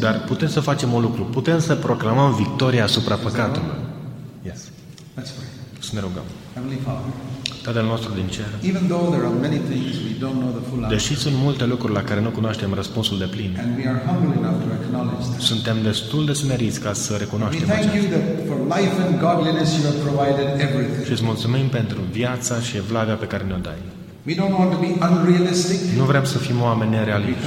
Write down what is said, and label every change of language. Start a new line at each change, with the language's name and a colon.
Romanian: Dar putem să facem un lucru. Putem să proclamăm victoria asupra păcatului.
English: Yes. That's right.
Romanian: Să ne rugăm.
English: Heavenly Father,
Romanian: Tatăl nostru din cer.
English: Even though there are many things we don't know the full answer.
Romanian: Deși sunt multe lucruri la care nu cunoaștem răspunsul de plin.
English: And we are humble enough to acknowledge that.
Romanian: Suntem destul de smeriți ca să recunoaștem acest.
English: Thank you that for life and godliness you have provided everything.
Romanian: Și îți mulțumim pentru viața și evlavia pe care ne-o dai.
English: We don't want to be unrealistic.
Romanian: Nu vrem să fim oameni nerealiști.